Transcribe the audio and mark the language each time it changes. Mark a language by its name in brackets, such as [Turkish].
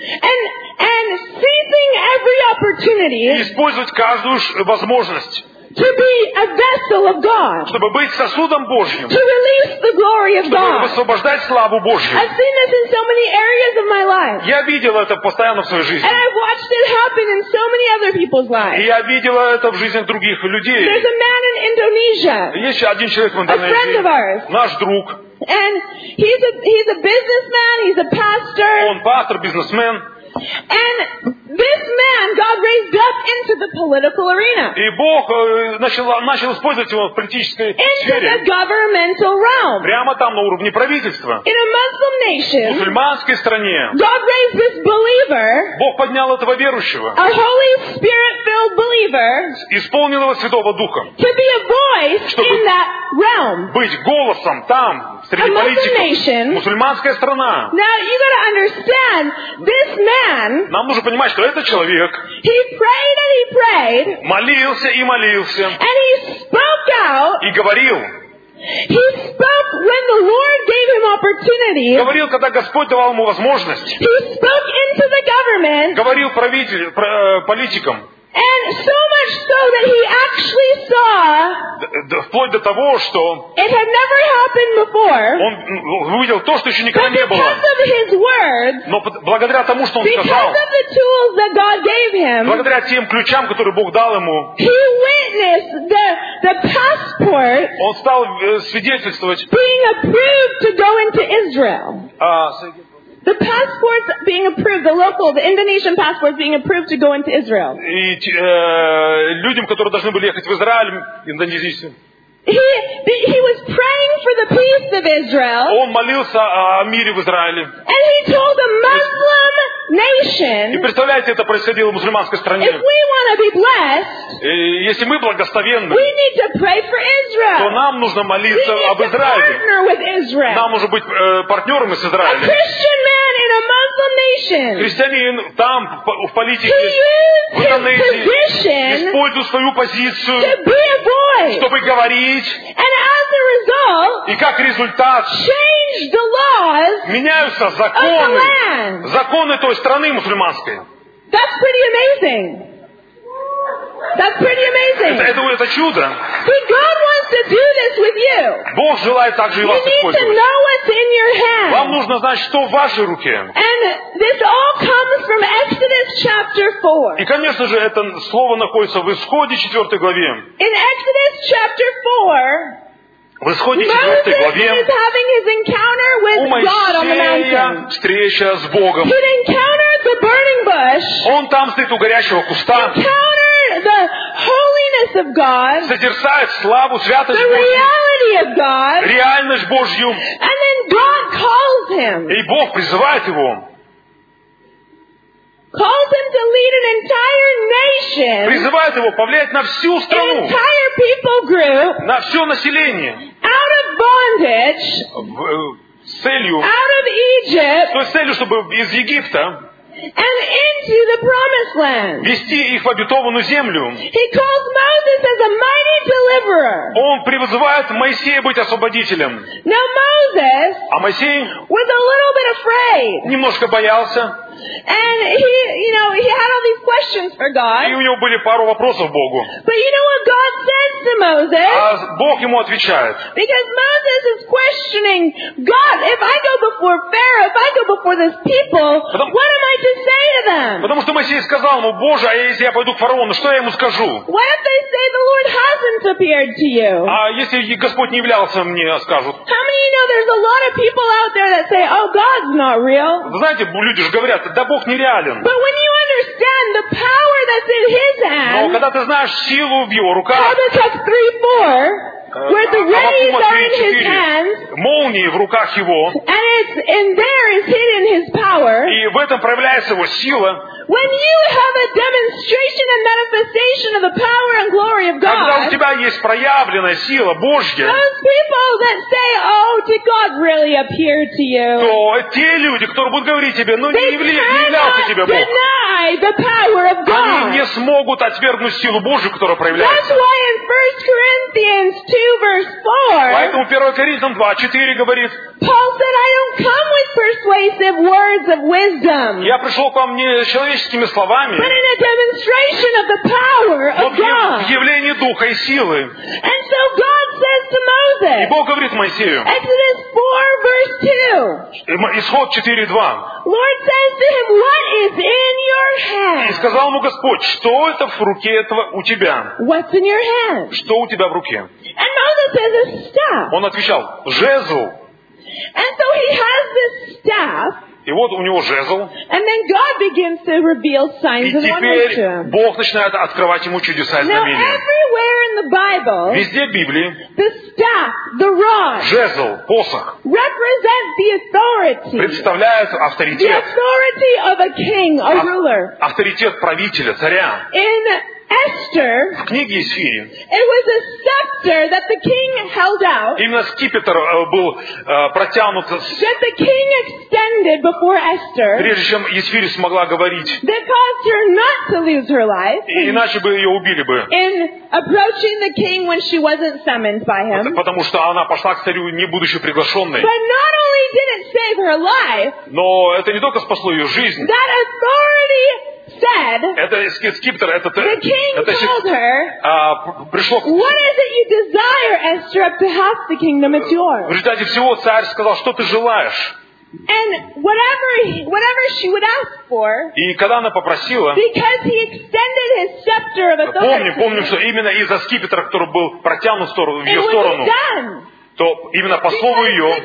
[English] And seizing every opportunity. [Russian] И использовать каждую возможность. [English] To be a vessel of God. [Russian] Чтобы быть сосудом Божьим. [English] To release the glory of God. [Russian] Чтобы высвобождать славу Божью. [English] I've seen this in so many areas of my life. [Russian] Я видел это постоянно в своей жизни. [English] And I've watched it happen in so many other people's lives. [Russian] И я видел это в жизни других людей. [English] There's a man in Indonesia. [Russian] Есть один человек в Индонезии. [English] A friend of ours. [Russian] Наш друг. [English] And he's a businessman. He's a pastor. [Russian] Он пастор, бизнесмен. [English] And this man God raised up into the political arena. [Russian] И Бог начал использовать его в политической сфере. [English] Into the governmental realm. [Russian] Прямо там на уровне правительства. [English] In a Muslim nation. [Russian] В мусульманской стране. [English] God raised this believer. [Russian] Бог поднял этого верующего. [English] A Holy Spirit-filled believer. [Russian] Исполнил его Святого Духа. [English] To be a voice in that realm. [Russian] Быть голосом там. [English] A Muslim nation. [Russian] Мусульманская страна. [English] Now you got to understand this man. [Russian] Нам нужно понимать, что этот человек. [English] He prayed and he prayed. [Russian] Молился и молился. [English] And he spoke out. [Russian] И говорил. [English] He spoke when the Lord gave him opportunity. [Russian] Говорил, когда Господь давал ему возможность. [English] He spoke into the government. [Russian] Говорил политикам. [English] And so much so that he actually saw. [Russian] Вплоть до того, что. [English] It had never happened before. [Russian] Он увидел то, что еще никогда не было. [English] Because of his words. [Russian] Но благодаря тому, что он сказал. [English] Because of the tools that God gave him. [Russian] Благодаря тем ключам, которые Бог дал ему. [English] He witnessed the passport. [Russian] Он стал свидетельствовать. [English] Being approved to go into Israel. The passports being approved, the local, the Indonesian passports being approved to go into Israel. [Russian] И людям, которые должны были ехать в Израиль, индонезийцам. [English] He was praying for the peace of Israel. [Russian] Он молился о мире в Израиле. [English] And he told a Muslim nation. [Russian] И представляете, это происходило в мусульманской стране. [English] If we want to be blessed, [Russian] если мы благословенны, [English] we need to pray for Israel. [Russian] То нам нужно молиться об Израиле. [English] We need to partner with Israel. [Russian] Нам нужно быть партнером с Израилем. [English] A Christian man in a Muslim nation. [Russian] Христианин там в политике. [English] He used his position. [Russian] Использует свою позицию. [English] To be a voice. [Russian] Чтобы говорить. [English] And as a result, [Russian] и как результат, [English] change the laws [Russian] меняются законы, [English] of the land. [Russian] Законы той страны мусульманской. [English] That's pretty amazing. That's pretty amazing. [Russian] Это чудо. [English] See, God wants to do this with you. [Russian] Бог желает также и вас использовать. [English] You need to know what's in your hand. [Russian] Вам нужно знать, что в вашей руке. [English] And this all comes from Exodus chapter 4. [Russian] И, конечно же, это слово находится в Исходе 4 главе. [English] In Exodus chapter 4. [Russian] В Исходе 4 главе. [English] Moses is having his encounter with God on the mountain. [Russian] У Моисея встреча с Богом. [English] He encountered the burning bush. [Russian] Он там стоит у горящего куста. [English] The holiness of God. [Russian] Созерцает славу, святость Божью. [English] The reality of God. [Russian] Реальность Божью. [English] And then God calls him. [Russian] И Бог призывает его. [English] Calls him to lead an entire nation. [Russian] Призывает его повлиять на всю страну. [English] An entire people group. [Russian] На все население. [English] Out of bondage. [Russian] С целью. [English] Out of Egypt. [Russian] То есть целью, чтобы из Египта. [English] And into the promised land. [Russian] Вести их в обетованную землю. [English] He calls Moses as a mighty deliverer. [Russian] Он призывает Моисея быть освободителем. [English] Now Moses. [Russian] А Моисей. [English] Was a little bit afraid. [Russian] Немножко боялся. [English] And he, you know, he had all these questions for God. [Russian] И у него были пару вопросов Богу. [English] But you know what God says to Moses? [Russian] А Бог ему отвечает. [English] Because Moses is questioning God, if I go before Pharaoh, if I go before this people, what am I to say to them? [Russian] Потому что Моисей сказал ему: Боже, а если я пойду к фараону, что я ему скажу? [English] What if they say the Lord hasn't appeared to you? [Russian] А если Господь не являлся мне, скажут. [English] How many of you know there's a lot of people out there that say, oh, God's not real? [Russian] Знаете, люди же говорят. Да Бог нереален. [English] But when you understand the power that's in his hand, [Russian] но когда ты знаешь силу в его руках, [English] Habakkuk 3:4, where the rays are in his hands, [Russian] молнии в руках его, [English] and it's in there is hidden his power, [Russian] и в этом проявляется его сила, [English] when you have a demonstration and manifestation of the power and glory of God, [Russian] когда у тебя есть проявленная сила Божья, [English] those people that say, oh, did God really appear to you? [Russian] То те люди, которые будут говорить тебе, ну не являлся тебе Бог. [English] They cannot deny the power of God. [Russian] Они не смогут отвергнуть силу Божью, которая проявляется. [English] That's why in 1 Corinthians 2, verse 4, [Russian] поэтому 1 Коринфянам 2, 4 говорит, [English] Paul said, I don't come with persuasive words of wisdom. [Russian] Я пришел к вам не с человеческими словами, [English] but in a demonstration of the power of God. [Russian] В явлении Духа и силы. [English] And so God says to Moses, [Russian] и Бог говорит Моисею, [English] Exodus 4, verse 2, [Russian] Исход 4:2. [English] Lord says to him, what is in your hand? [Russian] И сказал ему Господь, что это в руке этого у тебя? [English] What's in your hand? [Russian] Что у тебя в руке? [English] And Moses says, a staff. [Russian] Он отвечал, жезл. [English] And so he has this staff. [Russian] И вот у него жезл. [English] And then God begins to reveal signs and wonders. [Russian] И теперь Бог начинает открывать ему чудеса и знамения. [English] Now everywhere in the Bible. [Russian] Везде в Библии. [English] The staff, the rod. [Russian] Жезл, посох. [English] Represent the authority. [Russian] Представляет авторитет. [English] The authority of a king, a ruler. [Russian] Авторитет правителя, царя. [English] In Esther, [Russian] в книге Эсфири, [English] it was a scepter that the king held out. [Russian] Именно скипетр был протянут. [English] That the king extended before Esther. [Russian] Прежде чем Эсфири смогла говорить. [English] That caused her not to lose her life. [Russian] Иначе бы ее убили бы. [English] In approaching the king when she wasn't summoned by him. [Russian] Потому что она пошла к царю не будучи приглашенной. [English] But not only did it save her life. [Russian] Но это не только спасло ее жизнь. [English] That authority. Said, [Russian] это скипетр, это, [English] the king [Russian] это, [English] told her, [Russian] пришло, [English] what is it you desire, Esther, up to half the kingdom, it's yours. [Russian] В результате всего царь сказал, что ты желаешь. [English] And whatever she would ask for, [Russian] и когда она попросила, [English] because he extended his scepter of authority, [Russian] помню, что именно из-за скипетра, который был протянут в, сторону, в ее сторону, то именно по слову ее